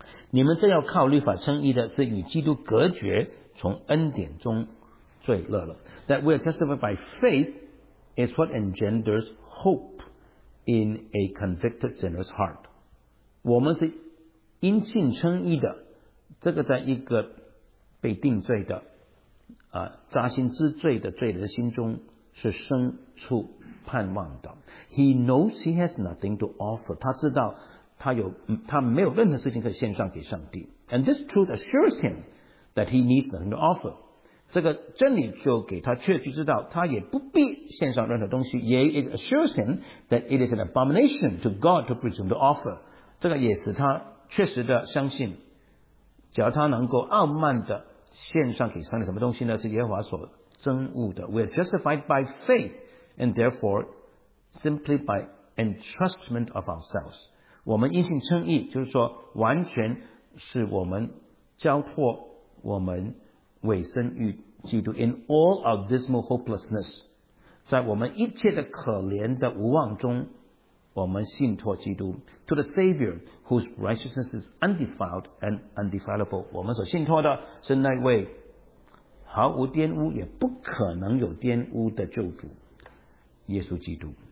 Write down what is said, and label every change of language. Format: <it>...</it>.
<zh>你们正要靠律法称义的，是与基督隔绝，从恩典中罪乐了。</zh> <en>That we are justified by faithis what engenders hope in a convicted sinner's heart.</en> <zh>我们是因信称义的，这个在一个被定罪的、扎心知罪的罪人心中是生出盼望的。</zh> <en>He knows he has nothing to offer.</en> <zh>他知道他没有任何事情可以献上给上帝。</zh> <en>And this truth assures him that he needs nothing to offer.</en> <zh>这个真理就给他确据知道，他也不必献上任何东西。也</zh> <en>it assures him that it is an abomination to God to presume to offer.</en> <zh>这个也使他确实的相信，只要他能够傲慢的献上给上帝什么东西呢？是耶和华所憎恶的。</zh> <en>We are justified by faith, and therefore simply by entrustment of ourselves.</en> <zh>我们因信称义，就是说完全是我们交托我们委身于基督。</zh> <en>In all our dismal hopelessness，</en> <zh>在我们一切的可怜的无望中，我们信托基督。</zh> <en>To the Savior whose righteousness is undefiled and undefilable，</en> <zh>我们所信托的是那位毫无玷污也不可能有玷污的救主耶稣基督。</zh>